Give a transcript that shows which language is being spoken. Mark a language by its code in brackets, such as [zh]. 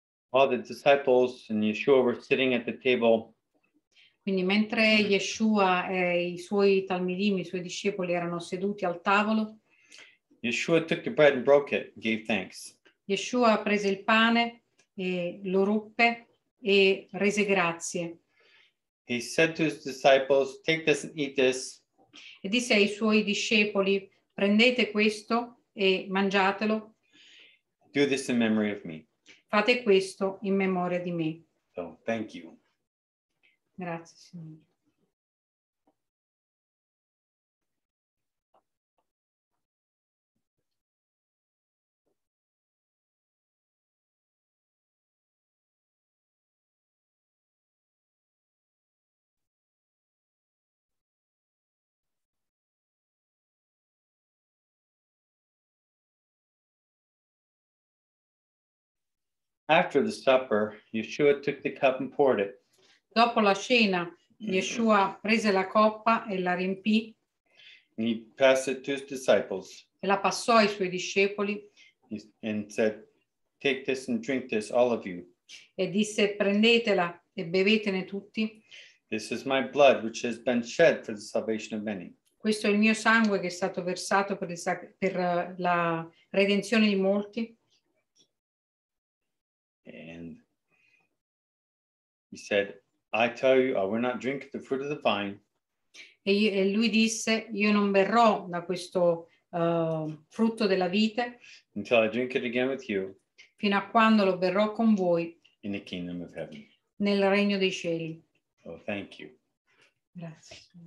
[en] While the disciples and Yeshua were sitting at the table, [it] quindi mentre Yeshua e i suoi talmidim, i suoi discepoli erano seduti al tavolo, [en] Yeshua took the bread and broke it, gave thanks. [it] Yeshua prese il pane e lo ruppe e rese grazie. [en] He said to his disciples, "Take this and eat this." [it] E disse ai suoi discepoli, prendete questo e mangiatelo. [en] Do this in memory of me. [it] Fate questo in memoria di me. [en] So, thank you. [it] Grazie, Signore. [en] After the supper, Yeshua took the cup and poured it. [it] Dopo la cena, Yeshua prese la coppa e la riempì. [en] And he passed it to his disciples. [it] E la passò ai suoi discepoli. [en] And said, "Take this and drink this, all of you." [it] E disse, prendetela e bevetene tutti. [en] This is my blood, which has been shed for the salvation of many. [it] Questo è il mio sangue che è stato versato per la redenzione di molti. [en] And he said, "I tell you, I will not drink the fruit of the vine." [it] E lui disse, io non berrò da questo frutto della vite. [en] Until I drink it again with you. [it] Fino a quando lo berrò con voi. [en] In the kingdom of heaven. [it] Nel regno dei cieli. [en] Oh, thank you. [it] Grazie.